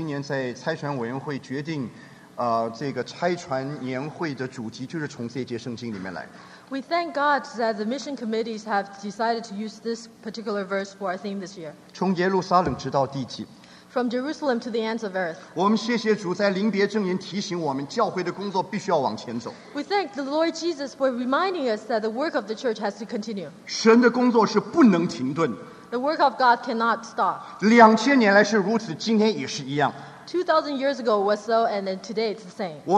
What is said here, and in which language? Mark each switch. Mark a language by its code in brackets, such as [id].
[zh] 感谢主，我们教会今年在拆传委员会决定， 这个拆传年会的主题就是从这节圣经里面来。 [en] We thank God that the mission committees have decided to use this particular verse for our theme this year. [zh] 从耶路撒冷直到地极。 [en] From Jerusalem to the ends of earth. [zh] 我们谢谢主在临别证言提醒我们教会的工作必须要往前走。 [en] We thank the Lord Jesus for reminding us that the work of the church has to continue. [zh] 神的工作是不能停顿。 [en] The work of God cannot stop. [zh] 2000年来是如此，今天也是一样。 [en] 2000 years ago was so, and then today it's the same.